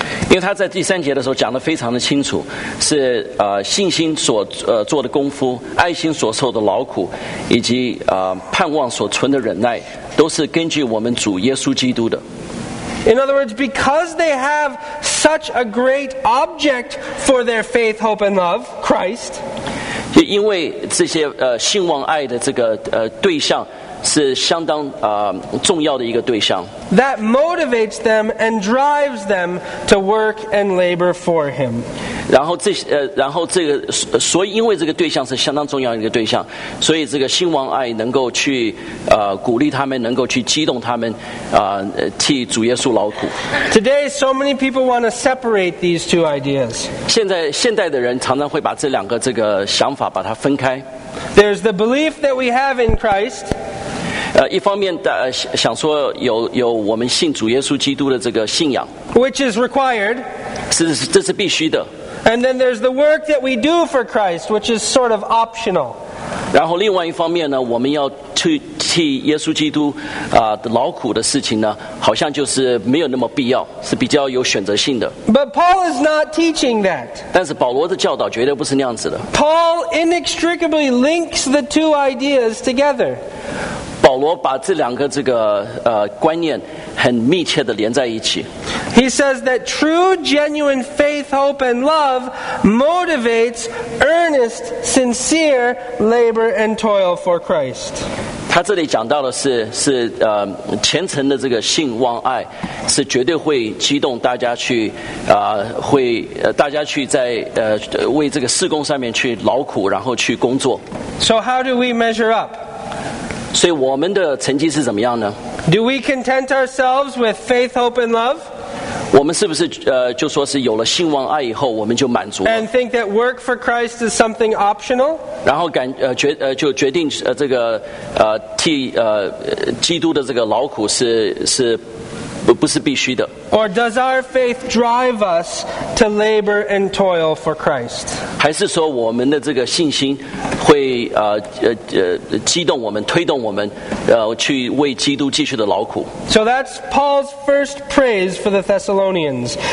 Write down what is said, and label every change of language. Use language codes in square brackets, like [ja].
[zh] 因为他在第三节的时候讲得非常的清楚，是信心所做的功夫，爱心所受的劳苦，以及盼望所存的忍耐，都是根据我们主耶稣基督的。 [en] In other words, because they have such a great object for their faith, hope, and love, Christ. [zh] 因为这些信望爱的这个对象是相当重要的一个对象。 [en] That motivates them and drives them to work and labor for Him. [zh] 然后这个所以因为这个对象是相当重要的一个对象，所以这个信望爱能够去鼓励他们，能够去激动他们替主耶稣劳苦。 [en] Today, so many people want to separate these two ideas. [zh] 现代的人常常会把这两个这个想法把它分开。 [en] There's the belief that we have in Christ. [zh] 一方面想说有我们信主耶稣基督的这个信仰 [en] ，which is required. [zh] 这是必须的。 [en] And then there's the work that we do for Christ, which is sort of optional. [zh] 然后另外一方面呢，我们要去替耶稣基督的劳苦的事情呢，好像就是没有那么必要，是比较有选择性的。 [en] But Paul is not teaching that. [zh] 但是保罗的教导绝对不是那样子的。 [en] Paul inextricably links the two ideas together. [zh] 保罗把这两个这个观念很密切地连在一起。 [en] He says that true, genuine faith, hope, and love motivates earnest, sincere labor and toil for Christ. [zh] 他这里讲到的是虔诚的这个信望爱，是绝对会激动大家去会大家去在为这个事工上面去劳苦，然后去工作。 [en] So how do we measure up? [zh] 所以我们的成绩是怎么样呢？ [en] Do we content ourselves with faith, hope, and love? [zh] 我们是不是就说是有了信望爱以后我们就满足了 [en] and think that work for Christ is something optional [zh] 然后就决定这个替基督的这个劳苦是不是必须的 [en] or does our faith drive us to labor and toil for Christ [zh] 还是说我们的这个信心会激动我们推动我们去为基督继续的劳苦 [en] So that's Paul's first praise for the Thessalonians.